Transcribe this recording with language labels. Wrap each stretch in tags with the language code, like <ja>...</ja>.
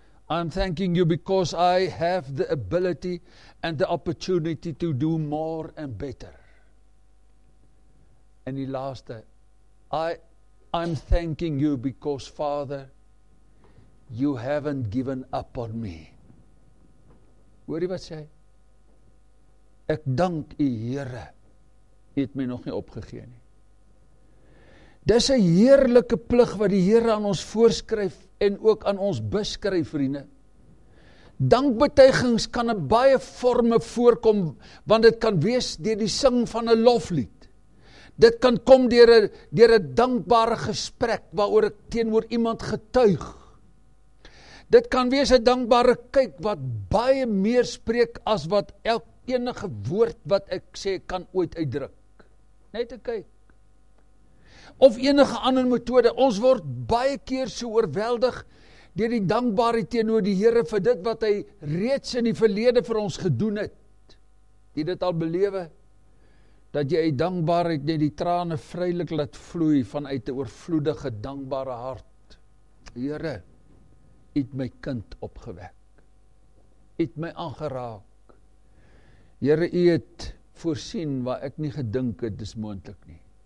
<en>I'm thanking you because I have the ability and the opportunity to do more and better." And the last, I'm thanking you because, Father, you haven't given up on me."</en> <af>Hoor jy wat sê? "Ek dank u, Here, u het my nog nie opgegee nie." Dis 'n heerlike plig wat die Here aan ons voorskryf en ook aan ons beskryf, vriende. Dankbetuigings kan in baie forme voorkom, want dit kan wees deur die sing van 'n loflied. Dit kan kom deur 'n dankbare gesprek waaroor ek teenoor iemand getuig. Dit kan wees 'n dankbare kyk wat baie meer spreek as wat enige woord wat ek sê kan ooit uitdruk. Net 'n kyk. Of enige ander metode, ons word baie keer so oorweldig deur die dankbaarheid teenoor die Here vir dit wat hy reeds in die verlede vir ons gedoen het. Die dit al belewe, dat jy dankbaarheid net die trane vrylik laat vloei vanuit 'n oorvloedige dankbare hart. Here, u het my kind opgewek. U het my aangeraak. Here, u het voorsien waar ek nie gedink het dis moontlik nie.</af>